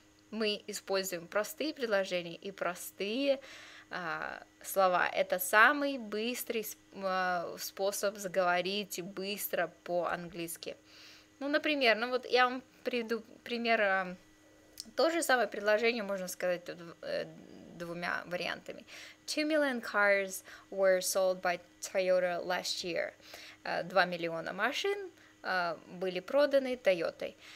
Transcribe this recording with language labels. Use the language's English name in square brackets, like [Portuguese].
[Russian] Мы используем простые предложения и простые слова. Это самый быстрый способ заговорить быстро по-английски. Ну, например, ну вот я вам приведу пример. То же самое предложение можно сказать двумя вариантами. [English] 2 million cars were sold by Toyota last year. [Russian] 2 миллиона машин были проданы Toyota.